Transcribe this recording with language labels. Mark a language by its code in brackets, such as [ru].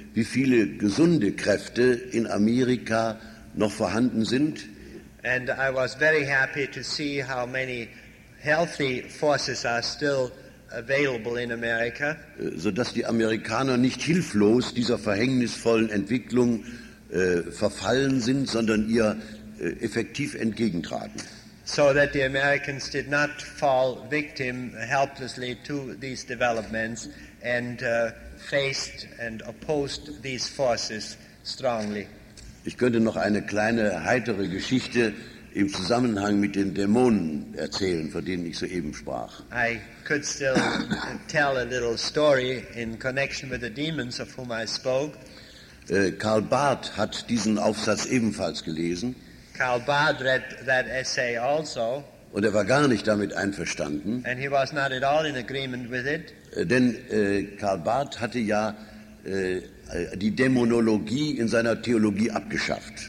[de] wie viele gesunde Kräfte in Amerika noch vorhanden sind. [en] And I was very happy to see how many healthy forces are still available in America. [de] So dass die Amerikaner nicht hilflos dieser verhängnisvollen Entwicklung verfallen sind, sondern ihr effektiv entgegentraten. [en] So that the Americans did not fall victim helplessly to these developments and faced and opposed these forces strongly. [de] Ich könnte noch eine kleine heitere Geschichte im Zusammenhang mit den Dämonen erzählen, von denen ich soeben sprach. [en] I could still tell a little story in connection with the demons of whom I spoke. [de] Karl Barth hat diesen Aufsatz ebenfalls gelesen. [en] Karl Barth read that essay also. [de] Und er war gar nicht damit einverstanden. [en] And he was not at all in agreement with it. [de] Denn Karl Barth hatte ja die Dämonologie in seiner Theologie abgeschafft.